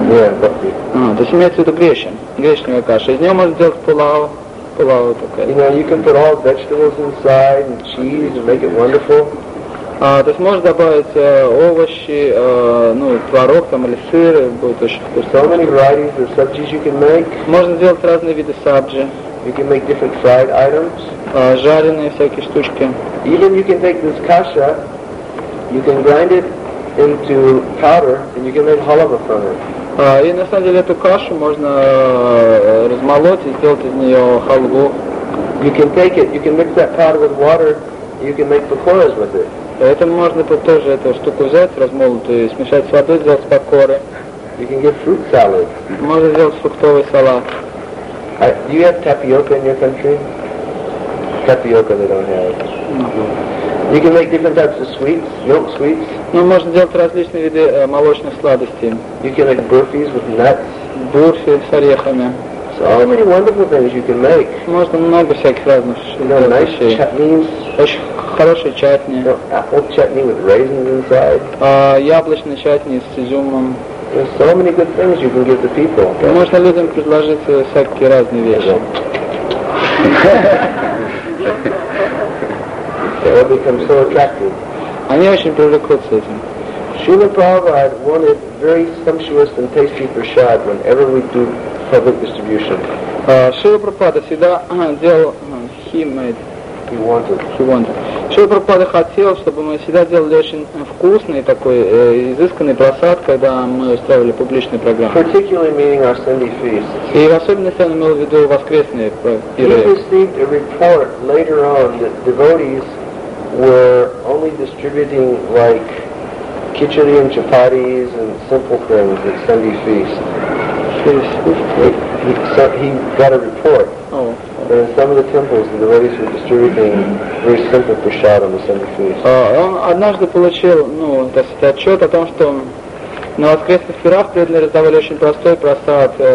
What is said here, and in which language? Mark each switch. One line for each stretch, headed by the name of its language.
Russian: То есть имеется в виду гречневая каша. Из нее можно сделать пулау. Пулау такая.
English: You know, you can put all vegetables inside and cheese and make it wonderful.
Russian: То есть можно добавить овощи, творог там или сыр, будет очень вкусно.
English: So many varieties of subjis you can make.
Russian: Можно сделать разные виды сабджи.
English: You can make different fried items.
Russian: Жареные всякие штучки.
English: Even you can take this kasha, you can grind it into powder and you can make halva from it.
Russian: И на самом деле эту кашу можно размолоть и сделать из нее халву.
English: You can take it, you can mix that powder with water, you can make pakoras with it.
Russian: Это можно тоже эту штуку взять, размолотую, смешать с водой, сделать пакоры.
English: You can get fruit salad.
Russian: Можно сделать фруктовый салат.
English: Do you have tapioca in your country? Tapioca they don't have. You can make different types of sweets, milk sweets.
Russian: Можно делать различные виды молочных сладостей.
English: You can make burfis with nuts.
Russian: Бурфи с орехами.
English: So many wonderful things you can make.
Russian: Можно много всяких разных вещей.
English: Nice chutneys.
Russian: Очень хорошие чатни.
English: Apple chutney with raisins inside.
Russian: Яблочные чатни с изюмом.
English: There's so many good things you can give the people.
Russian: Можно людям предложить всякие разные вещи.
English: They all become so attractive.
Russian: Они очень привлекутся этим.
English: Srila Prabhupada wanted very sumptuous and tasty prasad whenever we do public distribution.
Russian: Srila Prabhupada всегда делал
English: he made. He wanted. He wanted.
Russian: Шрила Прабхупада хотел, чтобы мы всегда делали очень вкусный такой изысканный просад, когда мы устраивали публичные программы.
English: Particularly meaning our Sunday feasts.
Russian: И в особенности он имел в виду воскресные пиры.
English: He received a report later on that devotees were only distributing like khichdi and chapatis and simple things at Sunday feasts. He got a report. Oh. In some of the temples, the devotees were distributing very simple prasad on the Sunday feast.
Russian: Он однажды получил, ну, так сказать, отчет о том, что на воскресных пирах преданные раздавали очень простой просад